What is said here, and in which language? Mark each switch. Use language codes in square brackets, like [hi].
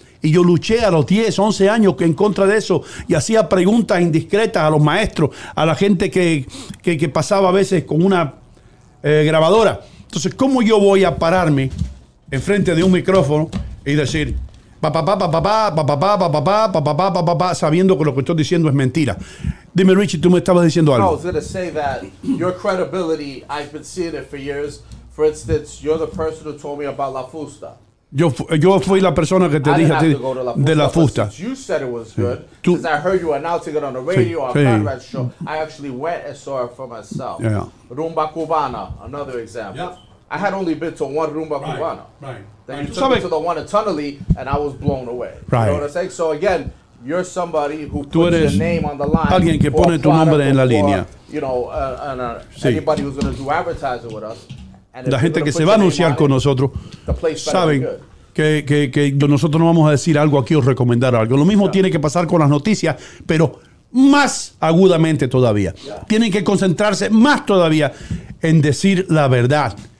[es] Y yo luché a los 10, 11 años en contra de eso y hacía preguntas indiscretas a los maestros, a la gente que pasaba a veces con una grabadora. Entonces, ¿cómo yo voy a pararme enfrente de un micrófono y decir pa, sabiendo que lo que estoy diciendo es mentira? Dime, Richie, tú me estabas diciendo algo. [en] I was going to say that your credibility, I've been seeing it for years. For instance, you're the person who told me about La Fusta. [es] Yo fui la persona que te dije a ti de La Fusta. [en] You said it was good. [es] Tú, [en] since I heard you announcing it on the radio, sí, on Conrad's show, I actually went and saw it for myself. Yeah. Rumba Cubana, another example. Yeah. I had only been to one Rumba Cubana. Right. Then you took me to the one in Tunnelly, and I was blown away. Right. You know what I'm saying? So again, you're somebody who puts your name on the line. [es] Alguien que pone tu nombre en la línea. [en] You know, anybody who's going to do advertising with us. [es] La gente que se va a anunciar con nosotros saben que nosotros no vamos a decir algo aquí o recomendar algo. Lo mismo tiene que pasar con las noticias, pero más agudamente todavía. Tienen que concentrarse más todavía en decir la verdad.